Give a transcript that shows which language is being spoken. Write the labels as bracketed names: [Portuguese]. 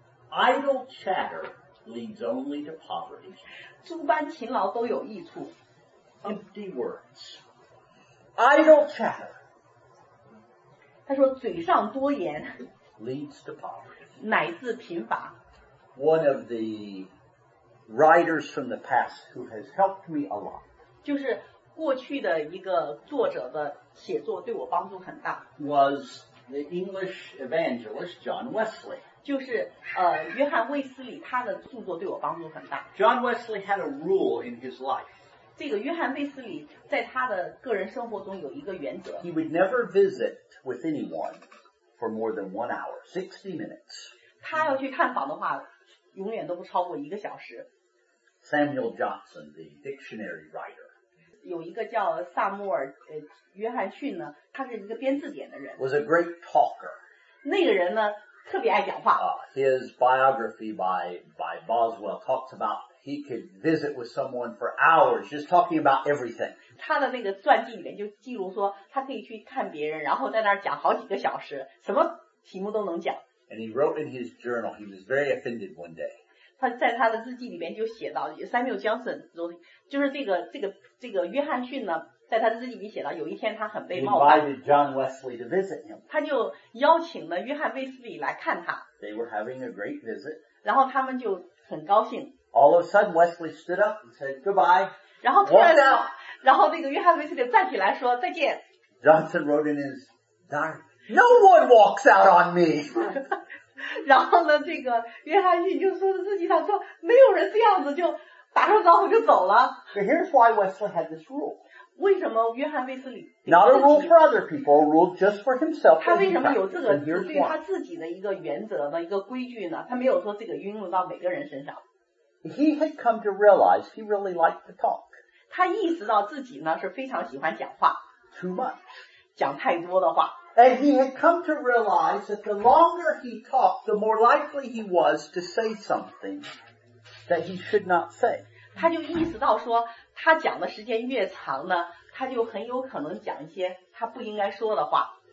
[English] Idle chatter leads only to poverty. [Chinese] 诸般勤劳都有益处。 [English] Empty words. Idle chatter. [Chinese] 他说嘴上多言 [English] leads to poverty. [Chinese] 乃至贫乏。 [English] One of the writers from the past who has helped me a lot. [Chinese] 就是过去的一个作者的写作对我帮助很大。 [English] Was the English evangelist John Wesley. [Chinese] 就是约翰卫斯理他的著作对我帮助很大。 [English] John Wesley had a rule in his life. [Chinese] 这个约翰卫斯理在他的个人生活中有一个原则。 [English] He would never visit with anyone for more than 1 hour, 60 minutes. [Chinese] 他要去探访的话，永远都不超过一个小时。 [English] Samuel Johnson, the dictionary writer. [Chinese] 有一个叫萨穆尔约翰逊呢，他是一个编字典的人。 [English] Was a great talker. [Chinese] 那个人呢，特别爱讲话。 [English] His biography by Boswell talks about He could visit with someone for hours, just talking about everything. [Chinese] 他的那个传记里面就记录说，他可以去看别人，然后在那儿讲好几个小时，什么题目都能讲。 [English] And he wrote in his journal, he was very offended one day. [Chinese] 他在他的日记里面就写到 ，Samuel Johnson 就是这个约翰逊呢，在他的日记里写到，有一天他很被冒犯。 [English] He invited John Wesley to visit him. [Chinese] 他就邀请了约翰威斯利来看他。 [English] They were having a great visit. [Chinese] 然后他们就很高兴。 [English] All of a sudden, Wesley stood up and said goodbye. [Chinese] 然后突然，然后那个约翰威斯利站起来说再见。 [English] Johnson wrote in his diary, "No one walks out on me." [Chinese] 然后呢，这个约翰逊就说自己他说没有人这样子就打声招呼就走了。 [English] But here's why Wesley had this rule. [Chinese] 为什么约翰威斯利 [English] ？Not a rule for other people, a rule just for himself. [Chinese] 他为什么有这个对他自己的一个原则的一个规矩呢？他没有说这个运用到每个人身上。 [English] He had come to realize he really liked to talk. [Chinese] 他意识到自己呢是非常喜欢讲话。 [English] Too much. [Chinese] 讲太多的话。 [English] And he had come to realize that the longer he talked, the more likely he was to say something that he should not say. [Chinese] 他就意识到说，他讲的时间越长呢，他就很有可能讲一些他不应该说的话。